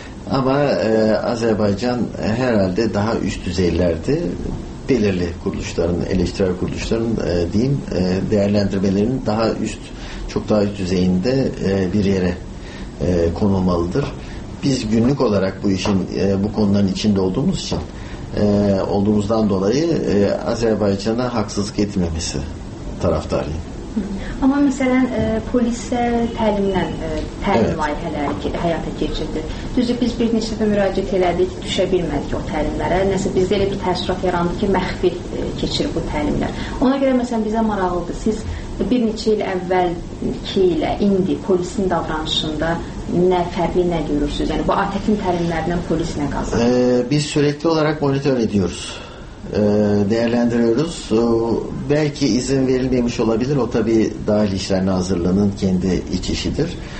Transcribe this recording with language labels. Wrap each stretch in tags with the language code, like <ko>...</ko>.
<tr>Ama Azerbaycan herhalde daha üst düzeylerde belirli kuruluşların, eleştirel kuruluşların değerlendirmelerinin daha üst, çok daha üst düzeyinde bir yere konulmalıdır. Biz günlük olarak bu işin, bu konuların içinde olduğumuz için, olduğumuzdan dolayı Azerbaycan'a haksızlık etmemesi taraftarıyım.</tr> <az>Ama mesela polisə təlimlən təlim layihələri həyata keçirdi. Düzü biz bir neçə dəfə müraciət elədik, düşə bilmədik o təlimlərə. Nəsə bizdə elə bir təəssürat yarandı ki, məxfi keçir bu təlimlər. Ona görə məsələn bizə maraqlıdır. Siz bir neçə il əvvəlki ilə indi polisin davranışında nə fərqi, nə görürsünüz? Yəni bu ATƏT-in təlimlərindən polis nə qazanır?</az> <tr>Biz sürekli olarak monitör ediyoruz. Değerlendiriyoruz. Belki izin verilmemiş olabilir. O tabi Dahili İşler Nazırlığı'nın kendi iç işidir.</tr>